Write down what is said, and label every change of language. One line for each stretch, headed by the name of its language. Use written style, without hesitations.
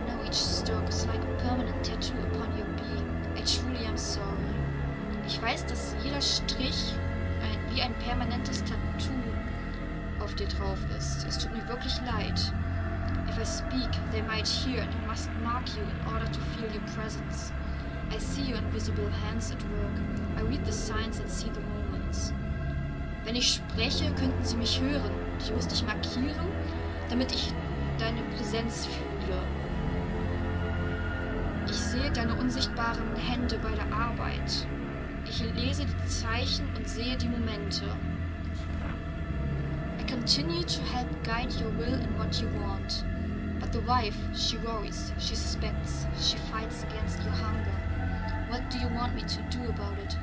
English: Each stroke is like a permanent tattoo upon your being. I truly am sorry.
German: Ich weiß, dass jeder Strich wie ein permanentes Tattoo auf dir drauf ist. Es tut mir wirklich leid.
English: If I speak, they might hear and must mark you in order to feel your presence. I see your invisible hands at work. I read the signs and see the moments.
German: Wenn ich spreche, könnten sie mich hören. Ich muss dich markieren, damit ich deine Präsenz fühle. Ich sehe deine unsichtbaren Hände bei der Arbeit. Ich lese die Zeichen und sehe die Momente.
English: I continue to help guide your will in what you want. But the wife, she worries, she suspects, she fights against your hunger. What do you want me to do about it?